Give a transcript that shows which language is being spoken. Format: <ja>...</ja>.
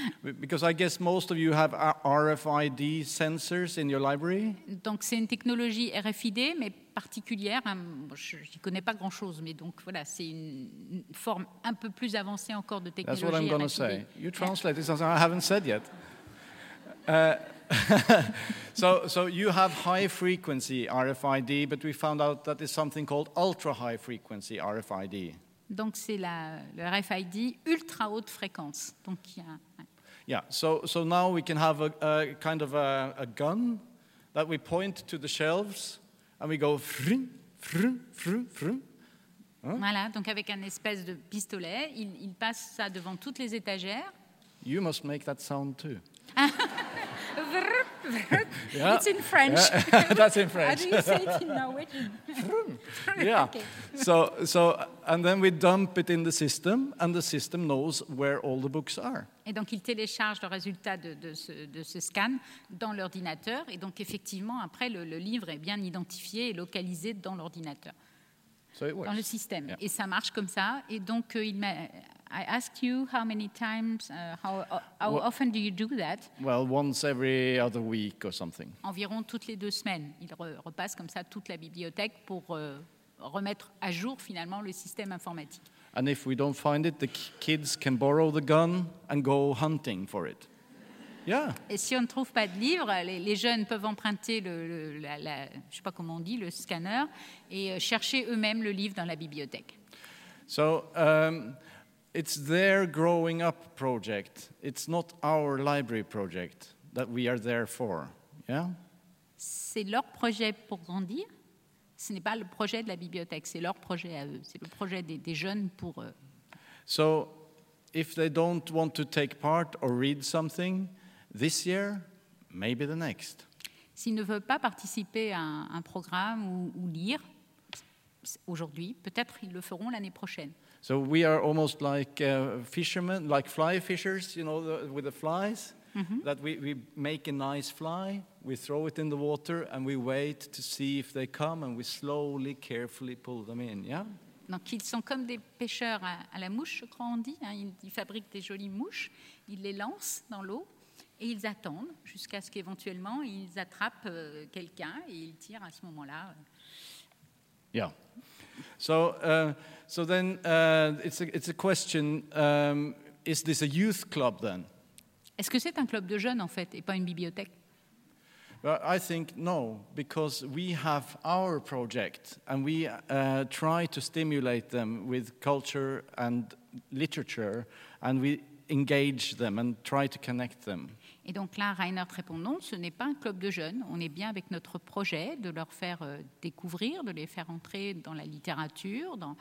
<en>Because I guess most of you have RFID sensors in your library.</en> <fr>Donc c'est une technologie RFID, mais particulière. Je n'y connais pas grand-chose, mais donc voilà, c'est une forme un peu plus avancée encore de technologie.</fr> <en>That's what I'm going to say. You translate something I haven't said yet. So you have high frequency RFID, but we found out that is something called ultra high frequency RFID.</en> <fr>Donc c'est le RFID ultra haute fréquence. Donc il y a.</fr> <en>Yeah. So now we can have a kind of a gun that we point to the shelves and we go frum frum frum frum.</en> <fr>Hein? Voilà. Donc avec un espèce de pistolet, il passe ça devant toutes les étagères.</fr> <en>You must make that sound too. Yeah. It's in French. Yeah. That's in French. How do you say it in Norwegian? Yeah. Okay. So and then we dump it in the system, and the system knows where all the books are.</en> <fr>Et donc ils téléchargent le résultat de ce scan dans l'ordinateur, et donc effectivement après le livre est bien identifié et localisé dans l'ordinateur.</fr> <en>So it works.</en> <fr>Dans le système. Yeah. Et ça marche comme ça. Et donc</fr> <en>I ask you how many times, how often do you do that? Well, once every other week or something.</en> <fr>Environ toutes les deux semaines, ils repassent comme ça toute la bibliothèque pour remettre à jour finalement le système informatique.</fr> <en>And if we don't find it, the kids can borrow the gun and go hunting for it. Yeah.</en> <fr>Et si on ne trouve pas de livre, les jeunes peuvent emprunter le scanner et chercher eux-mêmes le livre dans la bibliothèque.</fr> <en>So. It's their growing up project. It's not our library project that we are there for. Yeah?</en> <fr>C'est leur projet pour grandir. Ce n'est pas le projet de la bibliothèque. C'est leur projet à eux. C'est le projet des jeunes pour eux.</fr> <en>So, if they don't want to take part or read something this year, maybe the next.</en> <fr>S'ils ne veulent pas participer à un programme ou lire aujourd'hui, peut-être ils le feront l'année prochaine.</fr> <en>So we are almost like fishermen, like fly fishers, you know, with the flies. mm-hmm. that we make a nice fly, we throw it in the water, and we wait to see if they come, and we slowly, carefully pull them in, yeah?</en> <fr>Donc, ils sont comme des pêcheurs à la mouche, je crois on dit. Hein. Ils fabriquent des jolies mouches, ils les lancent dans l'eau et ils attendent jusqu'à ce qu'éventuellement, ils attrapent quelqu'un et ils tirent à ce moment-là.</fr> <en>Yeah. So then it's a question, is this a youth club then?</en> <fr>Est-ce que c'est un club de jeunes, en fait, et pas une bibliothèque?</fr> <en>Well, I think no, because we have our project and we try to stimulate them with culture and literature and we engage them and try to connect them.</en> <fr>Et donc là, Reinhard répond non, ce n'est pas un club de jeunes. On est bien avec notre projet de leur faire découvrir, de les faire entrer dans la littérature,</fr>